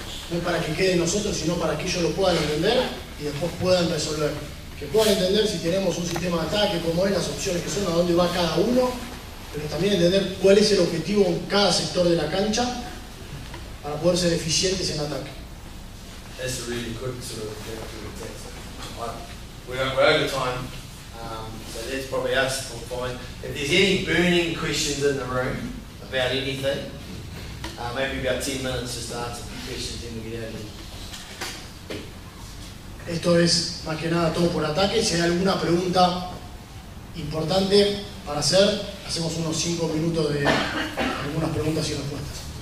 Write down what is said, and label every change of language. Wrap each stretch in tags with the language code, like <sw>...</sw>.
<es>No es para que quede nosotros, sino para que ellos lo puedan entender y después puedan resolver. Que puedan entender si tenemos un sistema de ataque, cómo es, las opciones que son, a dónde va cada uno, pero también entender cuál es el objetivo en cada sector de la cancha para poder ser eficientes en ataque.</es> <en>That's a really quick sort of thing to attack. We're over time, so that's probably us for fine. If there's any burning questions in the room about anything, maybe about 10 minutes just to answer the questions, then we get out of here.</en> <es>Esto es más que nada todo por ataque. Si hay alguna pregunta importante para hacer, hacemos unos 5 minutos de algunas preguntas y respuestas.</es>